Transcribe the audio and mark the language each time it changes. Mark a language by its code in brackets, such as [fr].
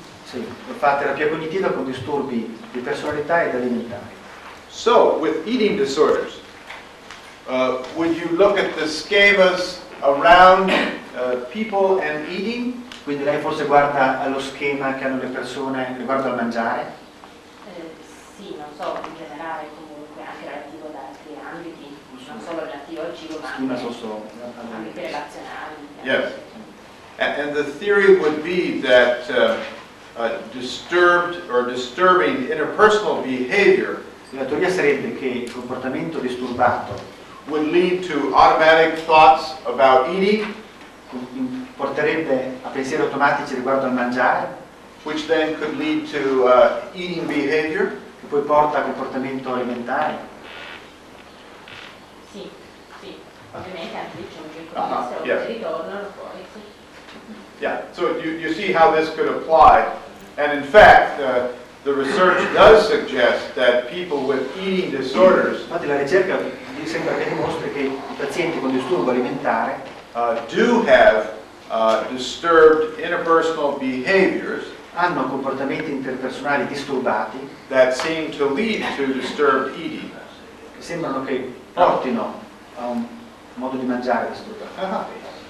[it] Sì, fa terapia cognitiva con disturbi di personalità ed alimentari. [en] So, with eating disorders, would you look at the schemas around people and eating? [it] Quindi lei forse guarda allo schema che hanno le persone riguardo al mangiare? Sì, non so, in generale comunque, anche relativo ad altri ambiti, non solo relativo al cibo, ma schema anche, posso, anche relazionali. [en] Yes. And the theory would be that disturbed or disturbing interpersonal behavior. [it] La teoria sarebbe che il comportamento disturbato [en] would lead to automatic thoughts about eating, [it] porterebbe a pensieri automatici riguardo al mangiare, [en] which then could lead to eating behavior, [it] che poi porta a comportamento alimentare. Sì, sì, ovviamente anche diciamo che [en] yes. [it] Ritornano poi. [en] Yeah, so you see how this could apply. And in fact, the research does suggest that people with eating disorders, [it] infatti la ricerca sembra che dimostri che i pazienti con disturbo alimentare [en] do have disturbed interpersonal behaviors, [it] hanno comportamenti interpersonali disturbati [en] that seem to lead to disturbed eating, [it] che sembrano che portino a un modo di mangiare disturbato.